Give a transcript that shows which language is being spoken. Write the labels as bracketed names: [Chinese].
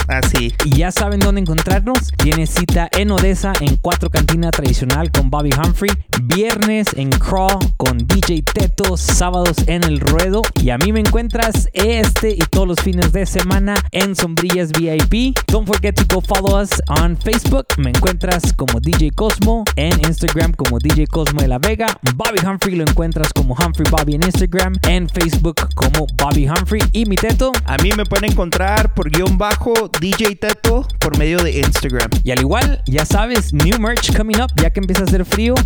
[Spanish] Así. Y ya saben dónde encontrarnos. Tiene cita en Odessa, en Cuatro Cantina Tradicional con Bobby Humphrey. Viernes en Crawl con DJ Teto. Sábados en El Ruedo. Y a mí me encuentras este y todos los fines de semana en Sombrillas VIP. [English] Don't forget to go follow us on Facebook. [Spanish] Me encuentras como DJ Cosmo. En Instagram como DJ Cosmo de la Vega. Bobby Humphrey lo encuentras como Humphrey Bobby en Instagram. En Facebook como Bobby Humphrey. Y mi Teto. A mí me pueden encontrar por guión bajo DJ Teto por medio de Instagram. Y al igual, ya sabes, [English] new merch coming up [Spanish] ya que empieza a hacer frío.